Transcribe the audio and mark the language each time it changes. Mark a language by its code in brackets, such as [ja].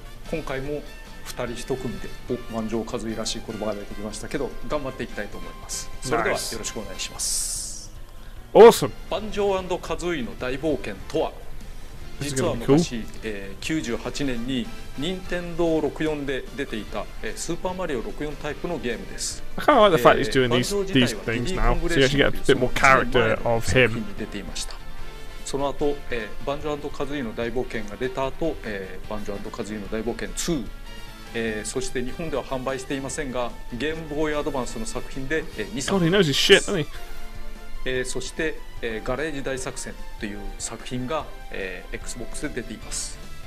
[ja] 今回も2人1組で万丈和井らしい言葉が出てきましたけど頑張っていきたいと思います。それではよろしくお願いします。 [en] Awesome. [ja] 万丈和井の大冒険とは実は昔、98年に任天堂64で出ていた、スーパーマリオ64タイプのゲームです。 [en] I kind of like the fact he's doing these things now, so you actually get a bit more character of him. [ja] に出ていました。その後、バンジョ&カズイの大冒険が出た後、バンジョ&カズイの大冒険2、そして日本では販売していませんがゲームボーイアドバンスの作品で、2作品です。そして、ガレージ大作戦という作品が、Xbox で出ています。